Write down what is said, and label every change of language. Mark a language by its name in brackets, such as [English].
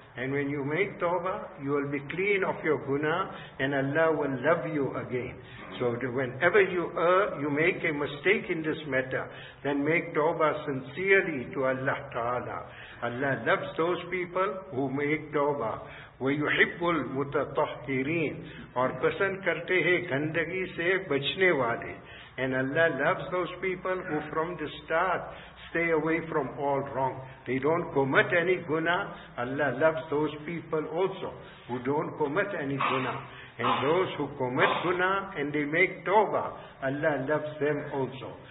[English] And when you make tawbah, you will be clean of your guna and Allah will love you again. So whenever you err, you make a mistake in this matter, then make tawbah sincerely to Allah Ta'ala. Allah loves those people who make tawbah. [Arabic] وَيُحِبُّ الْمُتَطَحِّرِينَ [Urdu] اور پسند کرتے ہیں گندگی سے بچنے والے. [English] And Allah loves those people who from the start stay away from all wrong. They don't commit any guna. Allah loves those people also who don't commit any guna. And those who commit guna and they make tawbah, Allah loves them also.